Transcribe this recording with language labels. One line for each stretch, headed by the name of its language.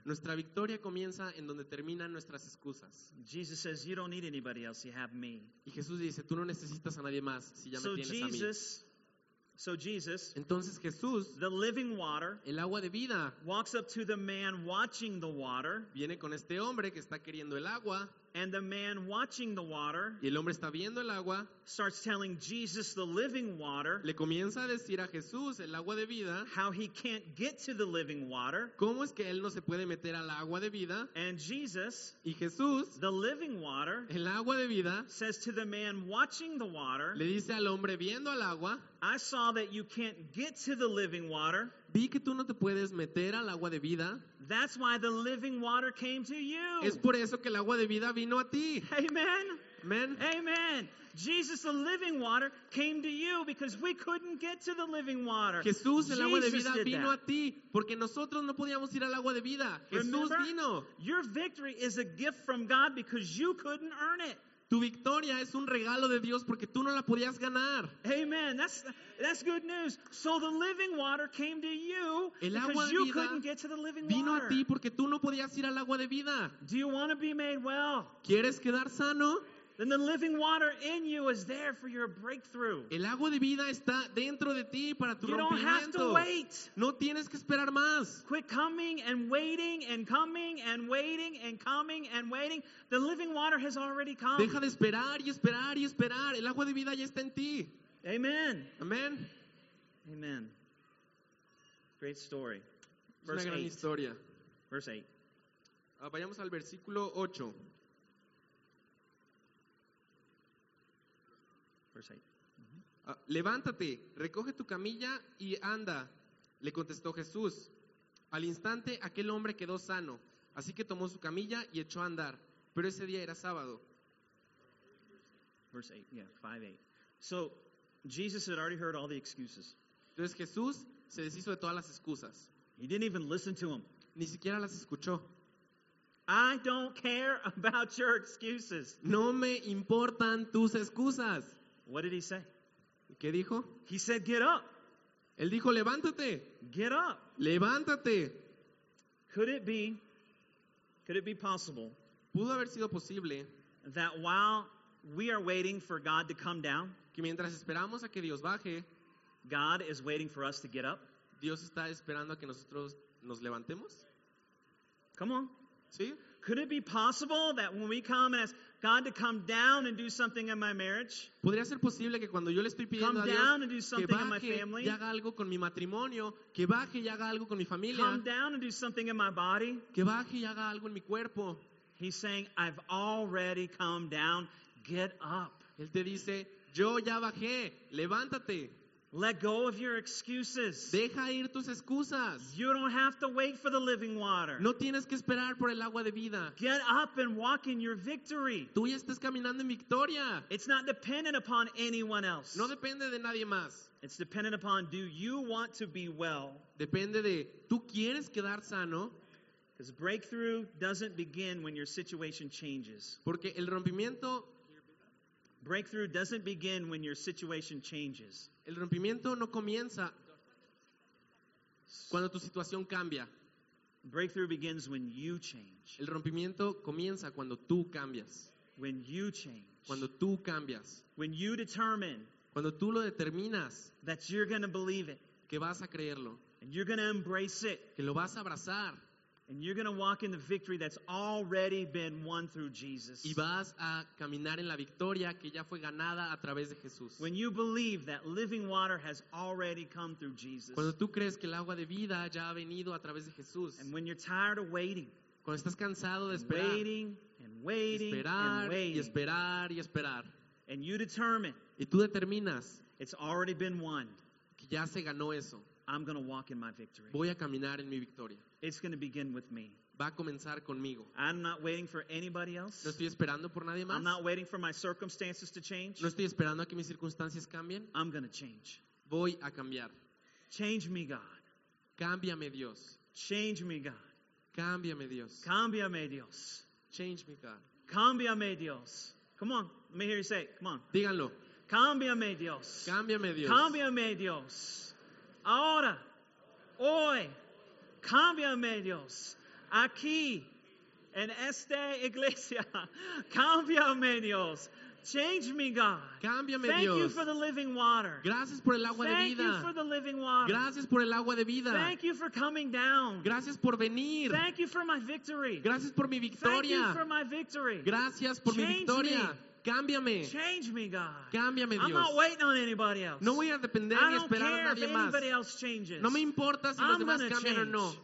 Spanish: Nuestra victoria comienza en donde terminan nuestras excusas.
English: Jesus says, "You don't need anybody else. You have me."
Spanish: Y Jesús dice, tú no necesitas a nadie más si ya me tienes
English: Jesus,
Spanish: a mí.
English: So Jesus,
Spanish: entonces Jesús,
English: the living water,
Spanish: el agua de vida,
English: walks up to the man watching the water.
Spanish: Viene con este hombre que está queriendo el agua.
English: And the man watching the water,
Spanish: y el hombre está viendo el agua,
English: starts telling Jesus the living water,
Spanish: le comienza a decir a Jesús el agua de vida,
English: how he can't get to the living water,
Spanish: cómo es que él no se puede meter al agua de vida,
English: and Jesus,
Spanish: y Jesús,
English: the living water,
Spanish: el agua de vida,
English: says to the man watching the water,
Spanish: le dice al hombre viendo al agua,
English: I saw that you can't get to the living water.
Spanish: Vi que tú no te puedes meter al agua de vida.
English: That's why the living water came to you.
Spanish: Es por eso que el agua de vida vino a ti.
English: Amen. Amen. Amen. Jesus, the living water, came to you because we couldn't get to the living water.
Spanish: Jesús, el agua de vida vino a ti porque nosotros no podíamos ir al agua de vida. Jesús vino.
English: Your victory is a gift from God because you couldn't earn it.
Spanish: Tu victoria es un regalo de Dios porque tú no la podías ganar.
English: Amen. That's good news. So the living water came to you because you couldn't get to the living water.
Spanish: Vino a ti porque tú no podías ir al agua de vida.
English: Do you want to be made well?
Spanish: ¿Quieres quedar sano?
English: Then the living water in you is there for your breakthrough.
Spanish: El agua de vida está dentro de ti para tu
English: rompimiento. You don't have to wait.
Spanish: No tienes que esperar más.
English: Quit coming and waiting and coming and waiting and coming and waiting. The living water has already come.
Spanish: Deja de esperar y esperar y esperar. El agua de vida ya está en ti.
English: Amen. Amen. Amen. Great story.
Spanish: Verse es una gran
English: eight.
Spanish: Historia.
English: Verse 8.
Spanish: Vayamos al versículo 8. Levántate, recoge tu camilla y anda, le contestó Jesús. Al instante aquel hombre quedó sano, así que tomó su camilla y echó a andar, pero ese día era sábado.
English: Verse 8, yeah, 5:8. So Jesus had already heard all the excuses.
Spanish: Entonces Jesús se deshizo de todas las excusas.
English: He didn't even listen to him.
Spanish: Ni siquiera las escuchó.
English: I don't care about your excuses.
Spanish: No me importan tus excusas.
English: What did he say?
Spanish: ¿Qué dijo?
English: He said, "Get up."
Spanish: Él dijo, "Levántate."
English: Get up.
Spanish: Levántate.
English: Could it be possible?
Spanish: Pudo haber sido posible
English: that while we are waiting for God to come down,
Spanish: que mientras esperamos a que Dios baje,
English: God is waiting for us to get up.
Spanish: Dios está esperando a que nosotros nos levantemos.
English: Come on.
Spanish: ¿Sí?
English: Could it be possible that when we come and ask God to come down and do something in my marriage?
Spanish: ¿Podría ser posible que cuando yo le estoy pidiendo a Dios,
English: come down and do something in my family?
Spanish: Que baje y haga algo con mi matrimonio, que baje y haga algo con mi familia.
English: Come down and do something in my body?
Spanish: Que baje y haga algo en mi cuerpo.
English: He's saying, I've already come down, get up.
Spanish: Él te dice, yo ya bajé, levántate.
English: Let go of your excuses.
Spanish: Deja ir tus excusas.
English: You don't have to wait for the living water.
Spanish: No tienes que esperar por el agua de vida.
English: Get up and walk in your victory.
Spanish: Tú ya estás caminando en victoria.
English: It's not dependent upon anyone else.
Spanish: No depende de nadie más.
English: It's dependent upon, do you want to be well?
Spanish: Depende de, ¿tú quieres quedar sano?
English: Because breakthrough doesn't begin when your situation changes.
Spanish: Porque el rompimiento...
English: Breakthrough doesn't begin when your situation changes.
Spanish: El rompimiento no comienza.
English: changes.
Spanish: Cuando tu situación cambia.
English: Breakthrough begins when you change.
Spanish: El rompimiento comienza cuando tú cambias.
English: When you change.
Spanish: Cuando tú cambias.
English: When you determine.
Spanish: Cuando tú lo determinas.
English: That you're going to believe it.
Spanish: Que vas a creerlo.
English: And you're going to embrace it.
Spanish: Que lo vas a abrazar.
English: And you're going to walk in the victory that's already been won through Jesus.
Spanish: Y vas a caminar en la victoria que ya fue ganada a través de Jesús.
English: When you believe that living water has already come through Jesus.
Spanish: Cuando tú crees que el agua de vida ya ha venido a través de Jesús.
English: And when you're tired of waiting.
Spanish: Cuando estás cansado de esperar.
English: Waiting and waiting
Spanish: esperar
English: and waiting.
Spanish: Y esperar y esperar.
English: And you determine.
Spanish: Y tú determinas.
English: It's already been won.
Spanish: Que ya se ganó eso.
English: I'm going to walk in my victory.
Spanish: Voy a caminar en mi victoria.
English: It's going to begin with me.
Spanish: Va a comenzar conmigo.
English: I'm not waiting for anybody else.
Spanish: No estoy esperando por nadie más.
English: I'm not waiting for my circumstances to change.
Spanish: No estoy esperando a que mis circunstancias cambien.
English: I'm going to change.
Spanish: Voy a cambiar.
English: Change me, God.
Spanish: Cámbiame, Dios.
English: Change me, God.
Spanish: Cámbiame, Dios. Cámbiame, Dios.
English: Change me, God.
Spanish: Cámbiame, Dios.
English: Come on. Let me hear you say it. Come on.
Spanish: Díganlo. Cámbiame, Dios. Cámbiame, Dios. Cámbiame, Dios. Ahora, hoy, cámbiame Dios, aquí, en esta iglesia, cámbiame Dios,
English: change me God,
Spanish: cámbiame
English: thank
Spanish: Dios.
English: You for the living water,
Spanish: gracias por el agua
English: thank
Spanish: de vida,
English: thank you for the living water,
Spanish: gracias por el agua de vida,
English: thank you for coming down,
Spanish: gracias por venir,
English: thank you for my victory,
Spanish: gracias por mi victoria,
English: thank you for my victory,
Spanish: gracias por
English: change
Spanish: mi victoria.
English: Me.
Spanish: Cámbiame.
English: Change me, God.
Spanish: Cámbiame, Dios.
English: I'm not waiting on anybody else.
Spanish: No voy a depender ni esperar a nadie más.
English: Anybody else changes.
Spanish: No me importa si los demás cambian o no.